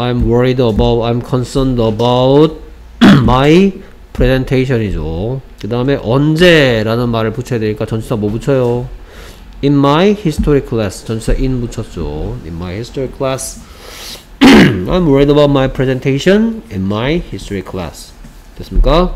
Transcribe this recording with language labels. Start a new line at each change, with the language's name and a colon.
English: I'm worried about I'm concerned about my presentation이죠.
Korean: 그 다음에 언제 라는 말을 붙여야 되니까 전치사 뭐 붙여요?
English: in my history class
Korean: 전치사 in 붙였죠.
English: in my history class I'm worried about my presentation in my history class
Korean: 됐습니까?